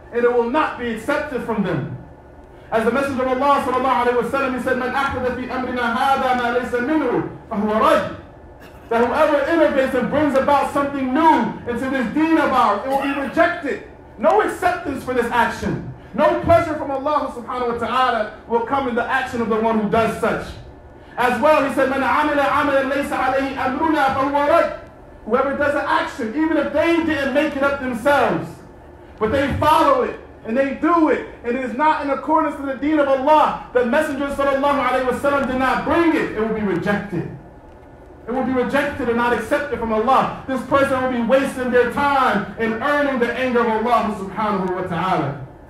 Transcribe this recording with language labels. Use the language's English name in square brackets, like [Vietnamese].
[English] And it will not be accepted from them. As the Messenger of Allah sallallahu alayhi wa sallam, he said, [Arabic] مَنْ أَحْدَثَ فِي أَمْرِنَا هَذَا مَا لَيْسَ مِنْهُ فَهُوَ رَجُلٌ. [English] That whoever innovates and brings about something new into this deen of ours, it will be rejected. No acceptance for this action. No pleasure from Allah subhanahu wa ta'ala will come in the action of the one who does such. As well, he said, [Arabic] مَنْ عَمِلَ عَمَلًا لَيْسَ عَلَيْهِ أَمْرُنَا فَهُوَ رَدْ. [English] Whoever does an action, even if they didn't make it up themselves, but they follow it, and they do it, and it is not in accordance to the deen of Allah, the Messenger sallallahu alayhi wa sallam did not bring it, it will be rejected. It will be rejected and not accepted from Allah. This person will be wasting their time and earning the anger of Allah subhanahu wa ta'ala.